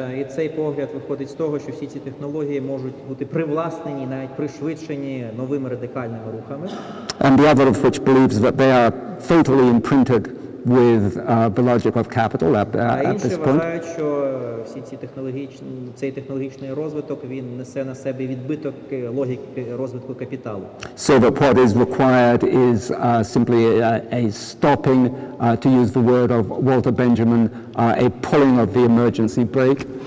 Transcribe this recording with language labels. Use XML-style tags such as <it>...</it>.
<uk>І цей погляд виходить з того, що всі ці технології можуть бути привласнені, навіть пришвидшені новими радикальними рухами.</uk> <en>And the other of which believes that they are fatally imprinted with the logic of capital at this point.</en> <uk>Вважають, що всі ці технологічні, цей технологічний розвиток, він несе на себе відбиток логіки розвитку капіталу.</uk> <en>So that what is required is simply a stopping, to use the word of Walter Benjamin, a pulling of the emergency brake.</en>